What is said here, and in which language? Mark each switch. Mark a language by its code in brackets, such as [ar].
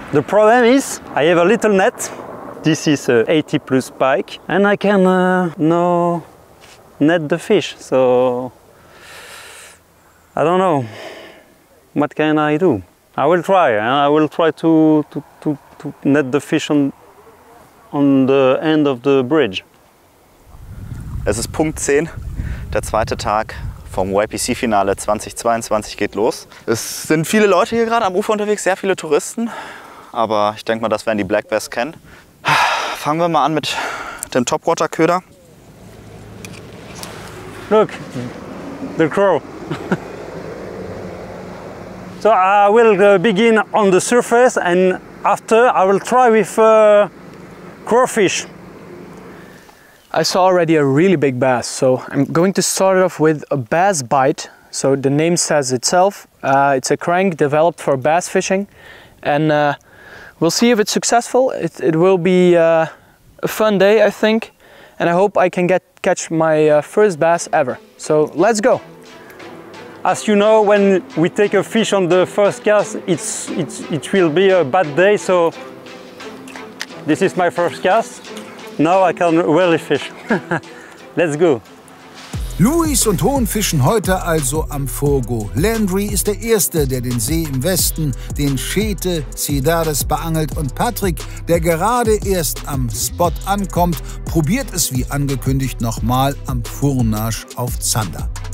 [en] The problem is I have a little net. This is a 80 plus pike, and I can no net the fish, so I don't know, what can I do? I will try, and I will try to net the fish on the end of the bridge. [de] Es ist Punkt 10, der zweite Tag vom YPC-Finale 2022 geht los. Es sind viele Leute hier gerade am Ufer unterwegs, sehr viele Touristen, aber ich denke mal, das werden die Black Bass kennen. Fangen wir mal an mit dem Topwater-Köder. [en] Look, the crow. So I will begin on the surface, and after I will try with crawfish. I saw already a really big bass, so I'm going to start off with a bass bite. So the name says itself. It's a crank developed for bass fishing, and we'll see if it's successful. It will be a fun day, I think, and I hope I can catch my first bass ever. So let's go. As you know, when we take a fish on the first cast, it will be a bad day, so this is my first cast. Now I can really fish. Let's go. [de] Luis und Hohn fischen heute also am Fogo. Landry ist der Erste, der den See im Westen, den Chete Cidades, beangelt. Und Patrick, der gerade erst am Spot ankommt, probiert es wie angekündigt nochmal am Fournage auf Zander.